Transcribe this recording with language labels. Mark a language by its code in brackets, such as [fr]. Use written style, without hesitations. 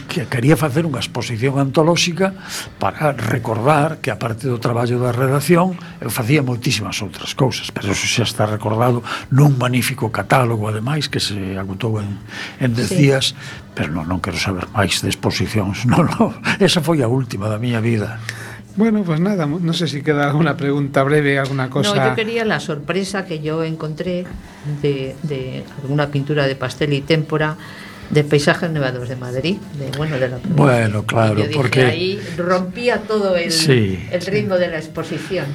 [es] quería hacer una exposición antológica para recordar que, aparte del trabajo de redacción, yo hacía muchísimas otras cosas, pero eso ya está recordado en un magnífico catálogo, además, que se agotó en 10 sí. días. [gl] Pero non quero saber máis de exposicións. No. Esa foi a última da miña vida. Bueno, pues nada, non sei se queda alguna pregunta breve, alguna cosa. [es] No, yo quería la sorpresa que yo encontré de alguna pintura de Pastel y Témpora de paisajes nevados de Madrid, de la provincia. Bueno, claro, dije, porque ahí rompía todo el ritmo de la exposición.